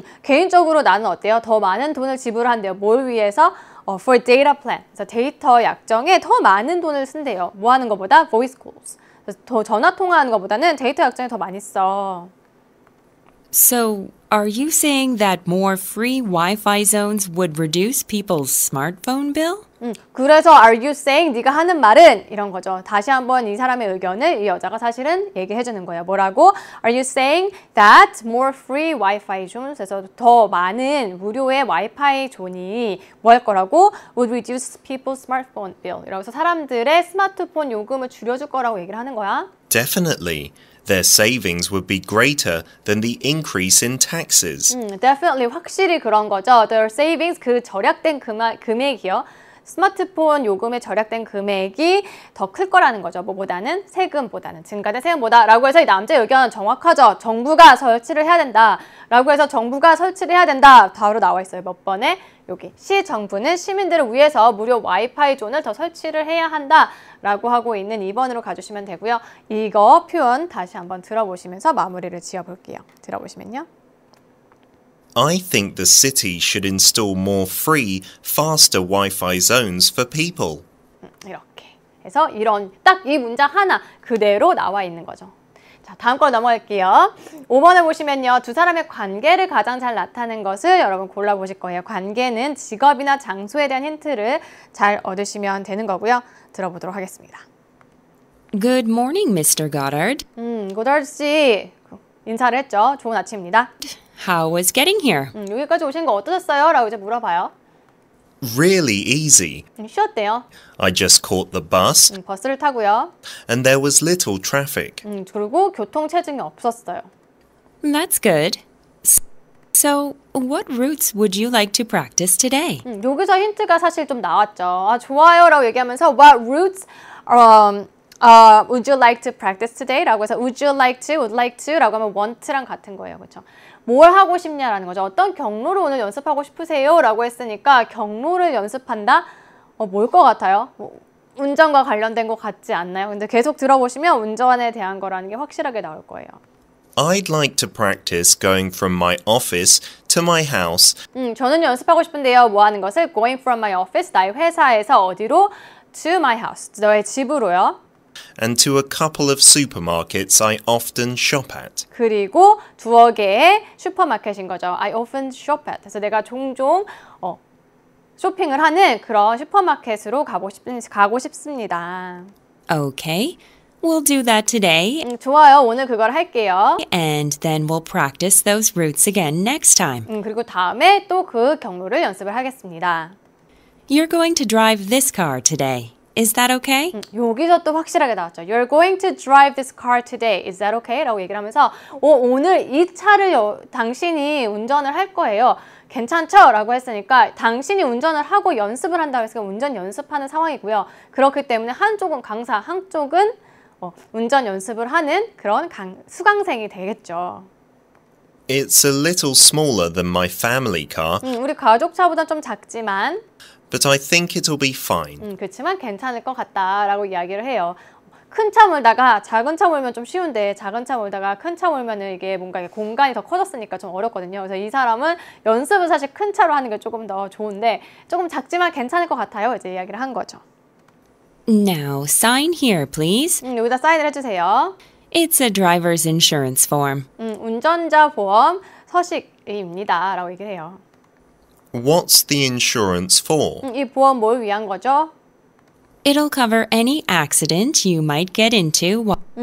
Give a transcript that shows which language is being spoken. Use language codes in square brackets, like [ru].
[ko] 개인적으로 나는 어때요? 더 많은 돈을 지불한대요. 뭘 위해서? [en] For data plan. [ko] 그래서 데이터 약정에 더 많은 돈을 쓴대요. 뭐 하는 것보다? [en] Voice calls. [ko] 더 전화 통화하는 것보다는 데이터 약정에 더 많이 써. [en] So, are you saying that more free Wi-Fi zones would reduce people's smartphone bill? [ko] 그래서 [en] are you saying [ko] 네가 하는 말은 이런 거죠. 다시 한번 이 사람의 의견을 이 여자가 사실은 얘기해 주는 거예요. 뭐라고? [en] Are you saying that more free Wi-Fi zones [ko] 에서 더 많은 무료의 와이파이 존이 뭐 할 거라고? [en] Would reduce people's smartphone bill. [ko] 이러면서 사람들의 스마트폰 요금을 줄여줄 거라고 얘기를 하는 거야. [en] Definitely. Their savings would be greater than the increase in taxes. Definitely, [ko] 확실히 그런 거죠. [en] Their savings, [ko] 그 절약된 금액이요. 스마트폰 요금에 절약된 금액이 더 클 거라는 거죠. 뭐보다는 세금보다는 증가된 세금보다 라고 해서 이 남자의 의견은 정확하죠. 정부가 설치를 해야 된다 라고 해서 정부가 설치를 해야 된다 바로 나와 있어요. 몇 번에 여기 시 정부는 시민들을 위해서 무료 와이파이 존을 더 설치를 해야 한다 라고 하고 있는 2번으로 가주시면 되고요. 이거 표현 다시 한번 들어보시면서 마무리를 지어볼게요. 들어보시면요. [en] I think the city should install more free, faster Wi-Fi zones for people. [ko] 이렇게 해서 이런 딱 이 문장 하나 그대로 나와 있는 거죠. 자, 다음 걸 넘어갈게요. 5번을 보시면요. 두 사람의 관계를 가장 잘 나타낸 것을 여러분 골라보실 거예요. 관계는 직업이나 장소에 대한 힌트를 잘 얻으시면 되는 거고요. 들어보도록 하겠습니다. [en] Good morning, Mr. Goddard. [ko] Goddard 씨, 인사를 했죠. 좋은 아침입니다. [en] How was getting here? [ko] 여기까지 오신 거 어떠셨어요? 라고 이제 물어봐요. [en] Really easy. [ko] 쉬웠대요. [en] I just caught the bus. [ko] 버스를 타고요. [en] And there was little traffic. [ko] 그리고 교통 체증이 없었어요. [en] That's good. So, what routes would you like to practice today? [ko] 여기서 힌트가 사실 좀 나왔죠. 아, 좋아요 라고 얘기하면서 [en] What routes would you like to practice today? [ko] 라고 해서 [en] Would you like to, [ko] would like to 라고 하면 want랑 같은 거예요. 그렇죠? 뭘 하고 싶냐라는 거죠. 어떤 경로로 오늘 연습하고 싶으세요? 라고 했으니까 경로를 연습한다? 뭘 것 같아요? 뭐, 운전과 관련된 것 같지 않나요? 근데 계속 들어보시면 운전에 대한 거라는 게 확실하게 나올 거예요. [en] I'd like to practice going from my office to my house. [ko] 저는 연습하고 싶은데요. 뭐 하는 것을? [en] Going from my office, [ko] 나의 회사에서 어디로? [en] To my house, [ko] 너의 집으로요. [en] And to a couple of supermarkets I often shop at. [ko] 그리고 두어 개의 슈퍼마켓인 거죠. [en] I often shop at. [ko] 그래서 내가 종종 쇼핑을 하는 그런 슈퍼마켓으로 가고 싶습니다. [en] Okay, we'll do that today. [ko] 좋아요. 오늘 그걸 할게요. [en] And then we'll practice those routes again next time. [ko] 그리고 다음에 또 그 경로를 연습을 하겠습니다. [en] You're going to drive this car today. Is that okay? [ko] 여기서 또 확실하게 나왔죠. [en] You're going to drive this car today. Is that okay? [ko] 라고 얘기를 하면서 오늘 이 차를 당신이 운전을 할 거예요. 괜찮죠? 라고 했으니까 당신이 운전을 하고 연습을 한다고 했으니까 운전 연습하는 상황이고요. 그렇기 때문에 한쪽은 강사, 한쪽은 운전 연습을 하는 그런 수강생이 되겠죠. [en] It's a little smaller than my family car. [ko] 우리 가족 차보다 좀 작지만 [en] But I think it'll be fine. [ko] 그렇지만 괜찮을 것 같다라고 이야기를 해요. 큰 차 몰다가 작은 차 몰면 좀 쉬운데 작은 차 몰다가 큰 차 몰면 이게 뭔가 공간이 더 커졌으니까 좀 어렵거든요. 그래서 이 사람은 연습은 사실 큰 차로 하는 게 조금 더 좋은데 조금 작지만 괜찮을 것 같아요. 이제 이야기를 한 거죠. [en] Now sign here, please. [ko] 여기다 사인을 해주세요. [en] It's a driver's insurance form. [ko] 운전자 보험 서식입니다라고 얘기를 해요. [en] What's the insurance for? [ko] 이 보험 뭘 위한 거죠? [en] It'll cover any accident you might get into.